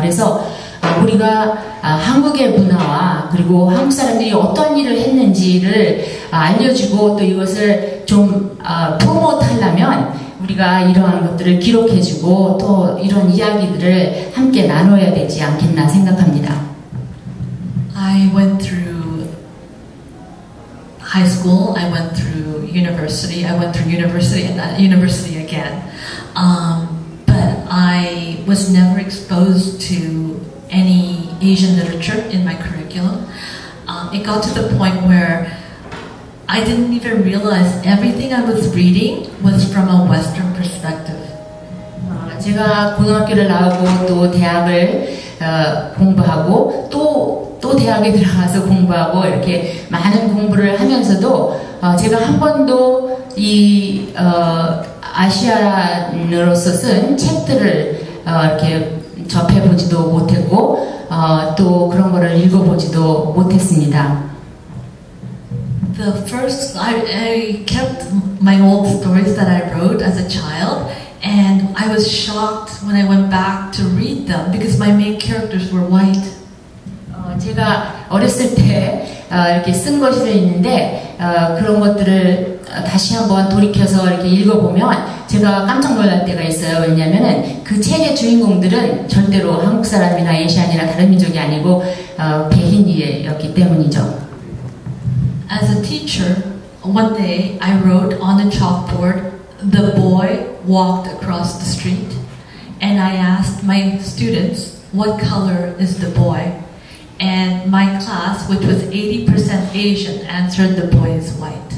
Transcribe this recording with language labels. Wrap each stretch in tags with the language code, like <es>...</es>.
<ko>그래서 우리가 한국의 문화와 그리고 한국 사람들이 어떤 일을 했는지를 알려주고 또 이것을 좀 프로모트하려면 우리가 이러한 것들을 기록해주고 또 이런 이야기들을 함께 나눠야 되지 않겠나 생각합니다.</ko> <en>I went through high school, I went through university, I went through university and that university again. But I was never exposed to any Asian literature in my curriculum. It got to the point where I didn't even realize everything I was reading was from a Western perspective.</en> <ko>제가 고등학교를 나오고 또 대학을 공부하고 또 대학에 들어가서 공부하고 이렇게 많은 공부를 하면서도 제가 한 번도 이 아시아인으로서 쓴 책들을 이렇게 접해보지도 못했고 또 그런 거를 읽어보지도 못했습니다.</ko> <en>The first, I kept my old stories that I wrote as a child and I was shocked when I went back to read them because my main characters were white.</en> <ko>제가 어렸을 때 이렇게 쓴 것이 있는데 그런 것들을 다시 한번 돌이켜서 이렇게 읽어보면 제가 깜짝 놀랄 때가 있어요. 왜냐면은 그 책의 주인공들은 절대로 한국 사람이나 아시안이나 다른 민족이 아니고 백인이었기 때문이죠.</ko> <en>As a teacher, one day I wrote on a chalkboard, the boy walked across the street and I asked my students, what color is the boy? And my class, which was 80% Asian, answered the boy is white.</en>